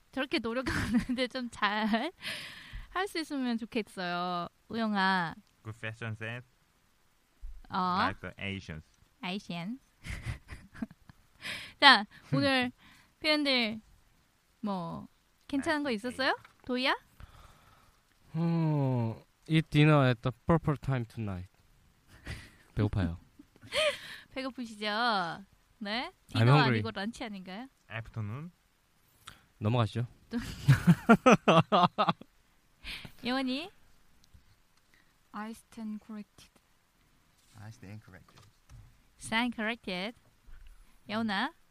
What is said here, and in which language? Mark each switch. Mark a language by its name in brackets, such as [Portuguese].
[Korean] 저렇게 노력하는데 좀 잘 할 수 있으면 좋겠어요. 우영아. [English] Good fashion sense. Like the Asians. Asians. [Korean] 자, 오늘 표현들 뭐 괜찮은 거 있었어요? 도희야? [English] Eat dinner at the proper time tonight. [Korean] 배고파요. 배고프시죠? 네? 디너 아니고 런치 아닌가요? [English] Afternoon. [Korean] 넘어가시죠. 영원히. [English] I stand corrected. I stand corrected. Stand corrected. 여운아,